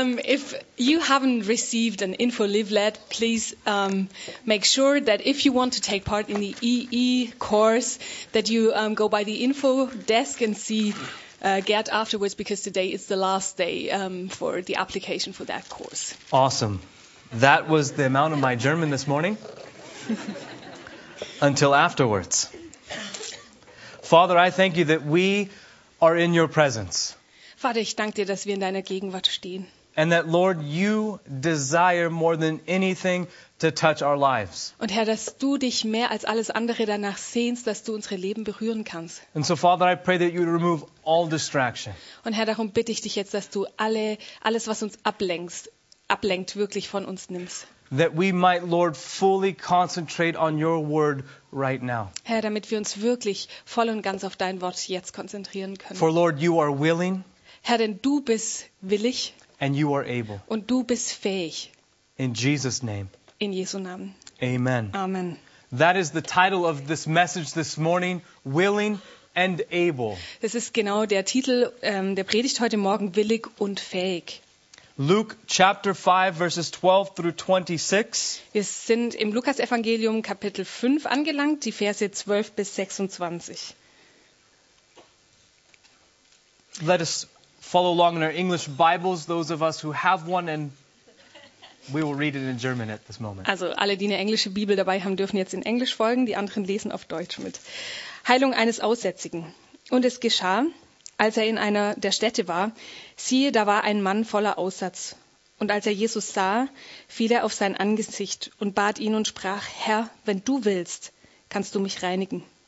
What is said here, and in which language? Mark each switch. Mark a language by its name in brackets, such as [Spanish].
[English] If you haven't received an info leaflet, please make sure that if you want to take part in the EE course, that you go by the info desk and see Gerd afterwards, because today is the last day for the application for that course. Awesome. That was the amount of my German this morning. Until afterwards. Father, I thank you that we are in your presence. [German] Vater, ich danke dir, dass wir in deiner Gegenwart stehen. [English] And that, Lord, you desire more than anything to touch our lives. [German] Und Herr, dass du dich mehr als alles andere danach sehnst, dass du unsere Leben berühren kannst. [English] And so, Father, I pray that you remove all distraction. [German] Und Herr, darum bitte ich dich jetzt, dass du alles, was uns ablenkt, wirklich von uns nimmst. [English] That we might, Lord, fully concentrate on your word right now. [German] Herr, damit wir uns wirklich voll und ganz auf dein Wort jetzt konzentrieren können. [English] For Lord, you are willing. [German] Herr, denn du bist willig. [English] And you are able. [German] Und du bist fähig. [English] In Jesus' name. [German] In Jesu Namen. [English] Amen. [German] Amen. [English] That is the title of this message this morning, willing and able. [German] Das ist genau der Titel der Predigt heute Morgen, willig und fähig. [English] Luke chapter 5 verses 12 through 26. [German] Wir sind im Lukas Evangelium Kapitel 5 angelangt, die Verse 12 bis 26. [English] Let us follow along in our English Bibles, those of us who have one, and we will read it in German at this moment. [German] Also alle, die eine englische Bibel dabei haben, dürfen jetzt in Englisch folgen, die anderen lesen auf Deutsch mit. Heilung eines Aussätzigen. Und es geschah, als er in einer der Städte war, siehe, da war ein Mann voller Aussatz. Und als er Jesus sah, fiel er auf sein Angesicht und bat ihn und sprach, Herr, wenn du willst, kannst du mich reinigen.